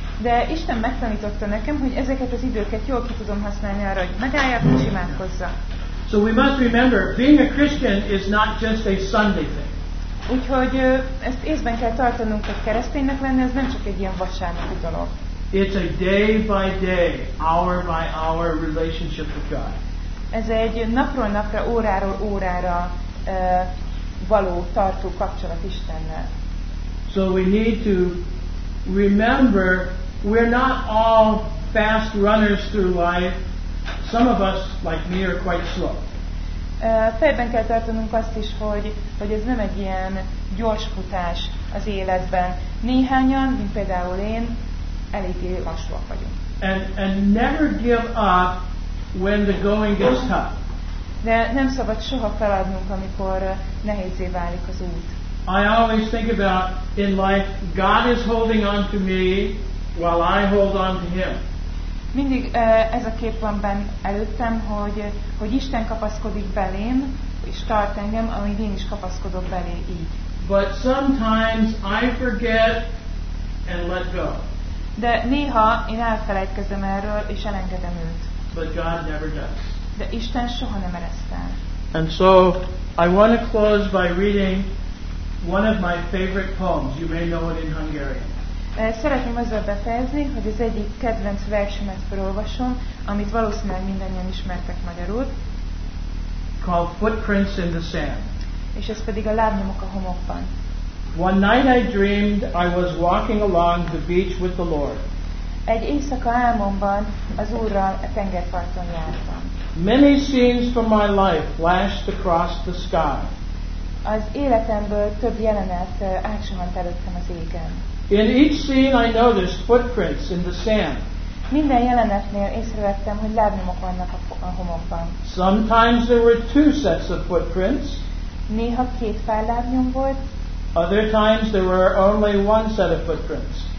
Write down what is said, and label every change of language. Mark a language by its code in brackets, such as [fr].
[hu] De Isten megtanította nekem, hogy ezeket az időket jól ki tudom használni arra, hogy megálljak és imádkozzak. [en] So we must remember, being a Christian is not just a Sunday thing. [hu] Úgyhogy ezt észben kell tartanunk, hogy kereszténynek lenni, ez nem csak egy ilyen vasárnapi dolog. [en] It's a day by day, hour by hour relationship with God. [hu] Ez egy napról napra, óráról órára való tartó kapcsolat Istennel. [en] So we need to remember, we're not all fast runners through life. Some of us, like me, are quite slow. [hu] Fejben kell tartanunk azt is, hogy ez nem egy ilyen gyors futás az életben. Néhányan, mint például én, eléggé lassúak vagyunk. [en] And never give up when the going gets tough. [hu] De nem szabad soha feladnunk, amikor nehézé válik az út. [en] I always think about in life, God is holding on to me while I hold on to him. [hu] Mindig ez a kép van benn előttem, hogy Isten kapaszkodik belém, és tart engem, amíg én is kapaszkodok belé így. [en] But sometimes I forget and let go. [hu] De néha én elfelejtkezem erről, és elengedem őt. [en] But God never does. [hu] De Isten soha nem ereszt el. [en] And so I want to close by reading one of my favorite poems. You may know it in Hungarian. [hu] Szeretném azzal befejezni, hogy az egyik kedvenc versemet felolvasom, amit valószínűleg mindannyian ismertek magyarul. [en] Called Footprints in the Sand. [hu] És ez pedig a lábnyomok a homokban. [en] One night I dreamed I was walking along the beach with the Lord. [hu] Egy éjszaka álmomban az Úrral a tengerparton jártam. [en] Many scenes from my life flashed across the sky. [hu] Az életemből több jelenet átsomant előttem az égen. [en] In each scene I noticed footprints in the sand. [hu] Minden jelenetnél észrevettem, hogy lábnyomok vannak a homokban. [en] Sometimes there were two sets of footprints. [hu] Néha két pár lábnyom volt. [en] Other times there were only one set of footprints.